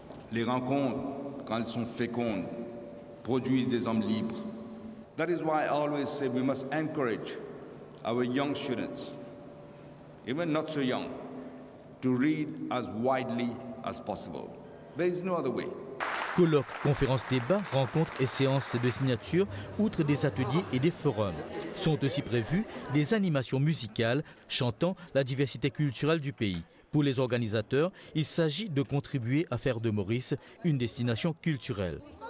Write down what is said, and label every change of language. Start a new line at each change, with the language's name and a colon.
French: Les rencontres, quand elles sont fécondes, produisent des hommes libres.
English: That is why I always say we must encourage our young students, even not so young, to read as widely as possible. There is no other way.
French: Colloques, conférences, débats, rencontres et séances de signature, outre des ateliers et des forums. Sont aussi prévues des animations musicales chantant la diversité culturelle du pays. Pour les organisateurs, il s'agit de contribuer à faire de Maurice une destination culturelle.